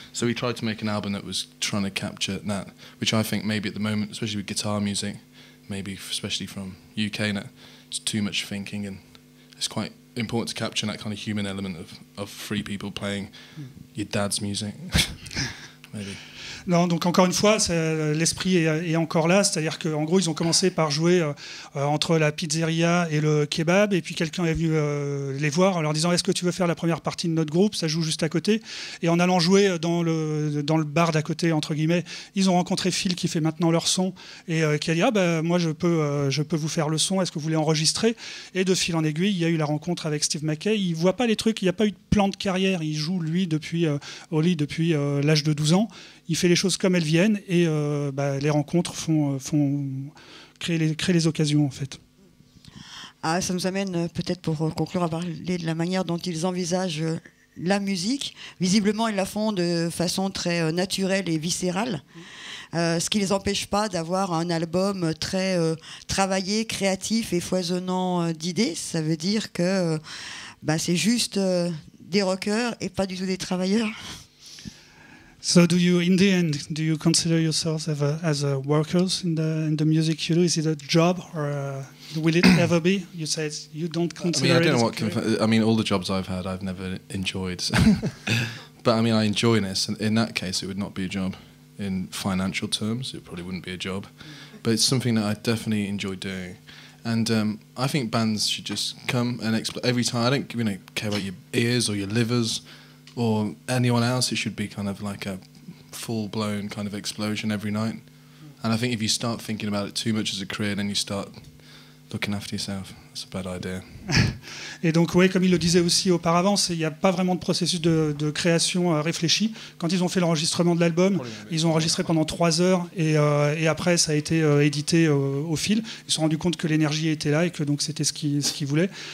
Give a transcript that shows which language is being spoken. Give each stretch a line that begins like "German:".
English: So we tried to make an album that was trying to capture that, which I think maybe at the moment, especially with guitar music, maybe especially from UK, that it's too much thinking, and it's quite important to capture that kind of human element of free people playing your dad's music. Maybe.
French: Non, donc encore une fois, l'esprit est encore là, c'est-à-dire qu'en gros, ils ont commencé par jouer entre la pizzeria et le kebab, et puis quelqu'un est venu les voir en leur disant « Est-ce que tu veux faire la première partie de notre groupe ?» Ça joue juste à côté. Et en allant jouer dans le bar d'à côté, entre guillemets, ils ont rencontré Phil qui fait maintenant leur son, et qui a dit « Ah ben, moi, je peux vous faire le son, est-ce que vous voulez enregistrer ?» Et de fil en aiguille, il y a eu la rencontre avec Steve McKay. Il ne voit pas les trucs, il n'y a pas eu de plan de carrière. Il joue, lui, depuis Holly, depuis l'âge de 12 ans. Il fait les choses comme elles viennent, et les rencontres font créer les occasions, en fait. Ah, ça nous amène peut-être, pour conclure, à parler de la manière dont ils envisagent la musique. Visiblement, ils la font de façon très naturelle et viscérale, ce qui ne les empêche pas d'avoir un album très travaillé, créatif et foisonnant d'idées. Ça veut dire que c'est juste des rockers et pas du tout des travailleurs.
English: So do you, in the end, do you consider yourself as a workers in the music you do? Is it a job, or will it ever be? You said you don't consider it. I mean, all the jobs I've had, I've never enjoyed. So. But I mean, I enjoy this. In that case, it would not be a job. In financial terms, it probably wouldn't be a job. But it's something that I definitely enjoy doing. And I think bands should just come and explore. Every time, I don't, you know, care about your ears or your livers, or anyone else, it should be kind of like a full-blown kind of explosion every night. And I think if you start thinking about it too much as a career, then you start looking after yourself. That's a bad idea.
French: Et donc, oui, comme il le disait aussi auparavant, il n'y a pas vraiment de processus de création réfléchi. Quand ils ont fait l'enregistrement de l'album, ils ont enregistré pendant 3 heures, et après, ça a été édité au fil. Ils se sont rendus compte que l'énergie était là et que donc c'était ce qu'ils voulaient.